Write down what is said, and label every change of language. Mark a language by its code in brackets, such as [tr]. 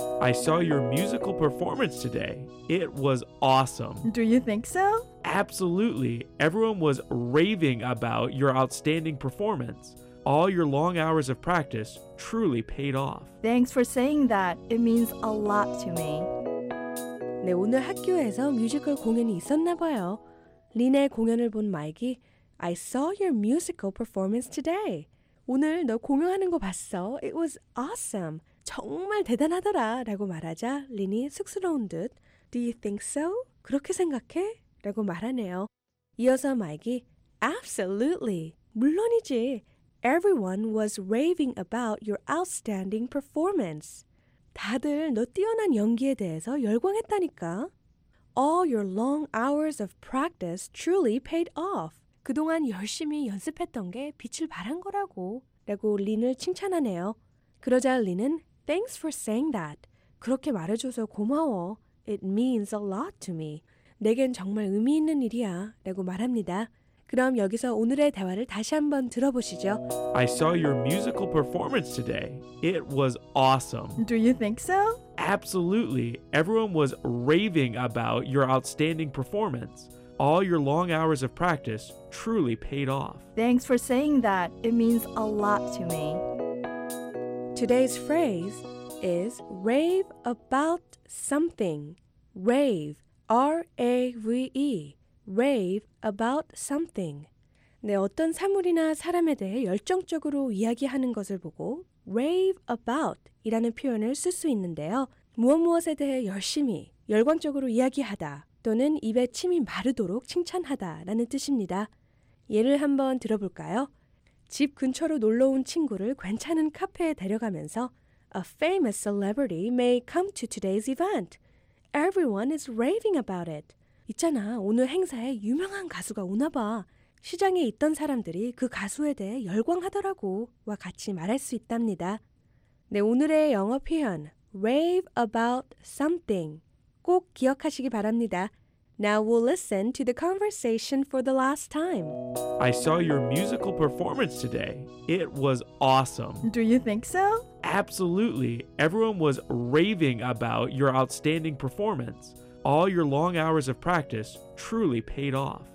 [en] I saw your musical performance today. It was awesome. Do you think so? Absolutely. Everyone was raving about your outstanding performance. All your long hours of practice truly paid off. Thanks for saying that. It means a lot to me. [ko] 네, 오늘 학교에서 뮤지컬 공연이 있었나 봐요. 린의 공연을 본 마이키 [en] I saw your musical performance today. [ko] 오늘 너 공연하는 거 봤어. [en] It was awesome. [ko] 정말 대단하더라 라고 말하자 린이 쑥스러운 듯 [en] Do you think so? [ko] 그렇게 생각해? 라고 말하네요. 이어서 마이키 [en] Absolutely. [ko] 물론이지. [en] Everyone was raving about your outstanding performance. [ko] 다들 너 뛰어난 연기에 대해서 열광했다니까. [en] All your long hours of practice truly paid off. [ko] 그동안 열심히 연습했던 게 빛을 발한 거라고 라고 린을 칭찬하네요. 그러자 린은 [en] Thanks for saying that. [ko] 그렇게 말해줘서 고마워. [en] It means a lot to me. [ko] 내겐 정말 의미 있는 일이야 라고 말합니다. 그럼 여기서 오늘의 대화를 다시 한번 들어보시죠. [en] I saw your musical performance today. It was awesome. Do you think so? Absolutely. Everyone was raving about your outstanding performance. all your long hours of practice truly paid off. Thanks for saying that. It means a lot to me. Today's phrase is rave about something. Rave, R-A-V-E, rave about something. [ko] 네, 어떤 사물이나 사람에 대해 열정적으로 이야기하는 것을 보고 rave about 이라는 표현을 쓸 수 있는데요. 무엇 무엇에 대해 열심히, 열광적으로 이야기하다 또는 입에 침이 마르도록 칭찬하다 라는 뜻입니다. 예를 한번 들어볼까요? 집 근처로 놀러 온 친구를 괜찮은 카페에 데려가면서 [en] A famous celebrity may come to today's event. Everyone is raving about it. [ko] 있잖아, 오늘 행사에 유명한 가수가 오나 봐. 시장에 있던 사람들이 그 가수에 대해 열광하더라고 와 같이 말할 수 있답니다. 네, 오늘의 영어 표현, rave about something. 꼭 기억하시기 바랍니다. [en] Now we'll listen to the conversation for the last time. I saw your musical performance today. It was awesome. Do you think so? Absolutely. Everyone was raving about your outstanding performance. All your long hours of practice truly paid off.